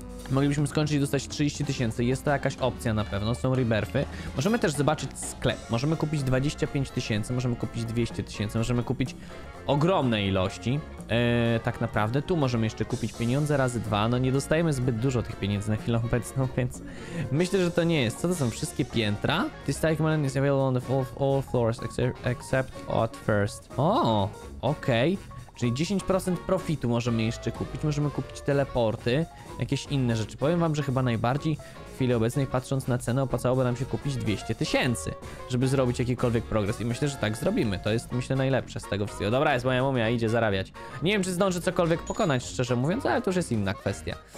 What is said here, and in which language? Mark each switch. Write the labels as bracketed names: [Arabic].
[Polish] Moglibyśmy skończyć i dostać 30 tysięcy. Jest to jakaś opcja na pewno, są rebirthy. Możemy też zobaczyć sklep. Możemy kupić 25 tysięcy, możemy kupić 200 tysięcy. Możemy kupić ogromne ilości. Tak naprawdę. Tu możemy jeszcze kupić pieniądze razy dwa. No nie dostajemy zbyt dużo tych pieniędzy na chwilę obecną, więc myślę, że to nie jest. Co to są? Wszystkie piętra? [English] This tycoon is available on the all floors except at first. [Polish] O, okej. Czyli 10% profitu możemy jeszcze kupić. Możemy kupić teleporty, jakieś inne rzeczy. Powiem wam, że chyba najbardziej w chwili obecnej, patrząc na cenę, opłacałoby nam się kupić 200 tysięcy, żeby zrobić jakikolwiek progres. I myślę, że tak zrobimy. To jest, myślę, najlepsze z tego wszystkiego. Dobra, jest moja mumia, idzie zarabiać. Nie wiem, czy zdążę cokolwiek pokonać, szczerze mówiąc, ale to już jest inna kwestia.